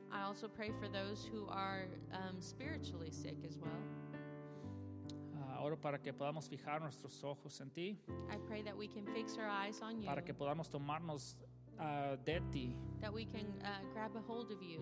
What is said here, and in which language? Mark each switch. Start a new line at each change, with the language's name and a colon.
English: I also pray for those who are spiritually sick as well.
Spanish: Oro para que podamos fijar nuestros ojos en ti.
English: I pray that we can fix our eyes on you.
Spanish: Para que podamos tomarnos de ti.
English: That we can grab a hold of you.